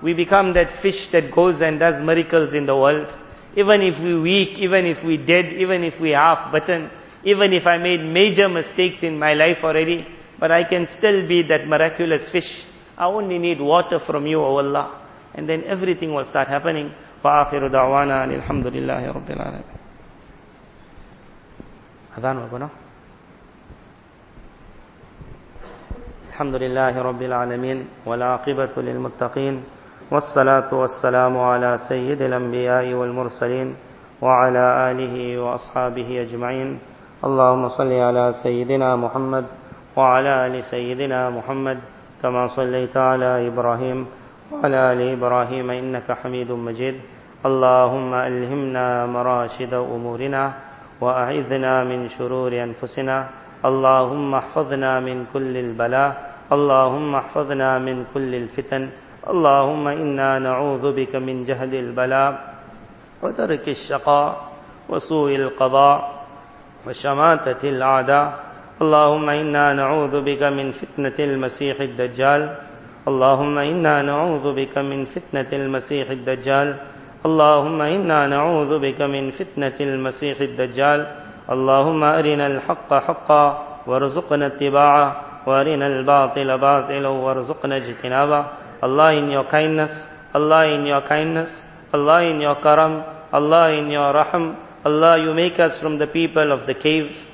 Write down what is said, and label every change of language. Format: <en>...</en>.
<en>We become that fish that goes and does miracles in the world. Even if we weak, even if we dead, even if we half bitten, even if I made major mistakes in my life already, but I can still be that miraculous fish. I only need water from you, O Allah. And then everything will start happening.</en> <ar>وآخر دعوانا أن الحمد لله رب العالمين. أذان وقنا. الحمد لله رب العالمين والعاقبة للمتقين والصلاة والسلام على سيد الأنبياء والمرسلين وعلى آله وأصحابه أجمعين. اللهم صل على سيدنا محمد وعلى آل سيدنا محمد كما صليت على إبراهيم وعلى آل إبراهيم إنك حميد مجيد. اللهم ألهمنا مراشد أمورنا وأعذنا من شرور أنفسنا. اللهم احفظنا من كل البلاء. اللهم احفظنا من كل الفتن. اللهم إنا نعوذ بك من جهد البلاء وترك الشقاء وسوء القضاء وَشَمَاتَةِ الْعَدَى اللَّهُمَّ إِنَّا نَعُوذُ بِكَ مِنْ فِتْنَةِ الْمَسِيحِ الدَّجَّالِ اللهم إنا نعوذ بك من فتنة المسيح الدجال اللهم إنا نعوذ بك من فتنة المسيح الدجال اللهم أرنا الحق حقا وارزقنا اتباعه وأرنا الباطل باطلا وارزقنا اجتنابه</ar> <en>Allah in your kindness, Allah in your kindness, Allah in your karam, Allah in your rahm, Allah you make us from the people of the cave,</en>